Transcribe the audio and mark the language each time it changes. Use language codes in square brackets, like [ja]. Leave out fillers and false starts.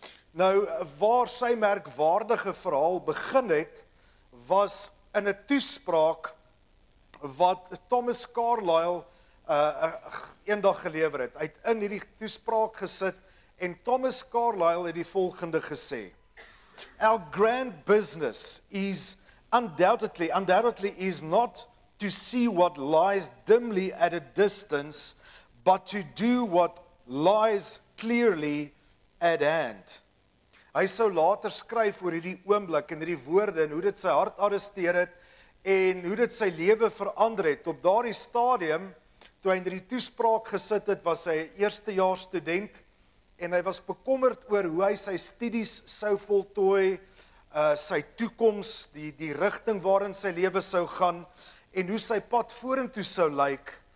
[af] Nou, waar sy merkwaardige verhaal begin het, was in 'n toespraak wat Thomas Carlyle eendag gelewer het. Hy het in hierdie toespraak gesit en Thomas Carlyle het die volgende gesê. [en] Our grand business is undoubtedly is not to see what lies dimly at a distance, but to do what lies clearly at hand. [af] Hy sou later skryf oor hierdie oomblik en hierdie woorde en hoe dit sy hart arresteer het en hoe dit sy lewe verander het. Op daardie stadium, toe hy in die toespraak gesit het, was hy 'n eerstejaars student en hy was bekommerd oor hoe hy sy studies sou voltooi, sy toekoms, die rigting waarin sy lewe sou gaan en hoe sy pad vorentoe sou lyk.